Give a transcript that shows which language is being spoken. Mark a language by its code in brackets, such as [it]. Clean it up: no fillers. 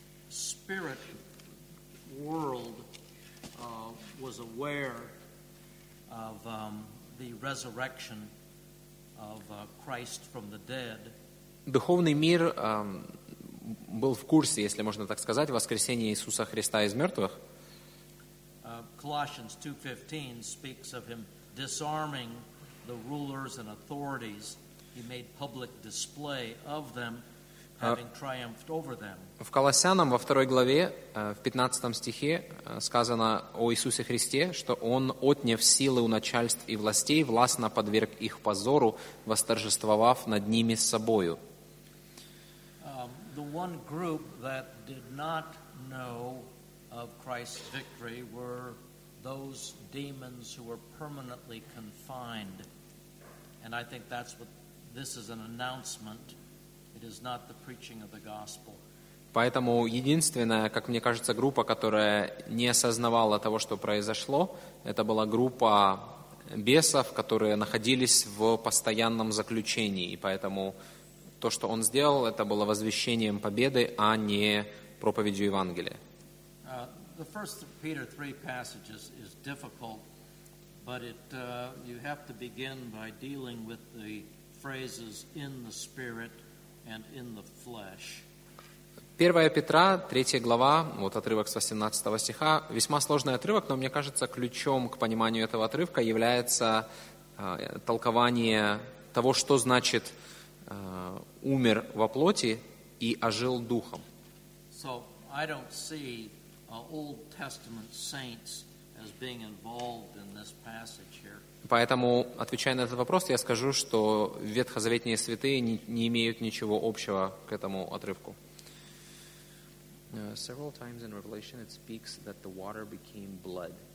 [en] Spirit world was aware of the resurrection of Christ from the dead. [ru] Духовный мир был в курсе, если можно так сказать, воскресения Иисуса Христа из мертвых. [en] Colossians 2:15 speaks of him disarming the rulers and authorities. He made public display of them, having triumphed over them. [ru] В Колоссянам во второй главе, в 15 стихе, сказано о Иисусе Христе, что Он, отняв силы у начальств и властей, властно подверг их позору, восторжествовав над ними собою. [en] The one group that did not know of Christ's victory were those demons who were permanently confined. And I think that's what this is, an announcement. It is not the preaching of the gospel. [ru] Поэтому единственная, как мне кажется, группа, которая не осознавала того, что произошло, это была группа бесов, которые находились в постоянном заключении. И поэтому то, что он сделал, это было возвещением победы, а не проповедью Евангелия. [en] The first Peter 3 passage is difficult, but it you have to begin by dealing with the phrases in the spirit and in the flesh. [ru] 1 Петра, 3 глава, вот отрывок с 18 стиха, весьма сложный отрывок, но мне кажется, ключом к пониманию этого отрывка является толкование того, что значит умер во плоти и ожил духом. [en] So I don't see Old Testament saints as being involved in this passage here. [ru] Поэтому, отвечая на этот вопрос, я скажу, что ветхозаветные святые не имеют ничего общего к этому отрывку. [en] Several times in Revelation it speaks that the water became blood.